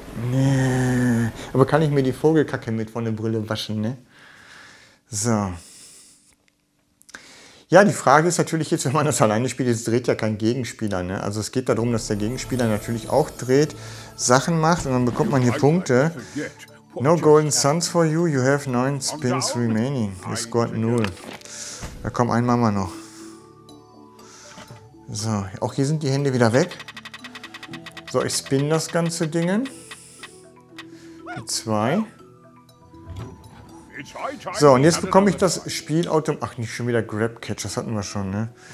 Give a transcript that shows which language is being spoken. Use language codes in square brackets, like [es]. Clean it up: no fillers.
[de] Nee. Aber kann ich mir die Vogelkacke mit von der Brille waschen, ne? So. Ja, die Frage ist natürlich jetzt, wenn man das alleine spielt, jetzt dreht ja kein Gegenspieler. Ne? Also es geht darum, dass der Gegenspieler natürlich auch dreht, Sachen macht und dann bekommt man hier Punkte. [en] No golden suns for you, you have 9 spins remaining. You scored 0. [de] Da kommt ein Mama noch. So, auch hier sind die Hände wieder weg. So, ich spin das ganze Ding. Die 2. So, und jetzt bekomme ich das Spiel automatisch. Ach, nicht schon wieder Grab Catch, das hatten wir schon, ne?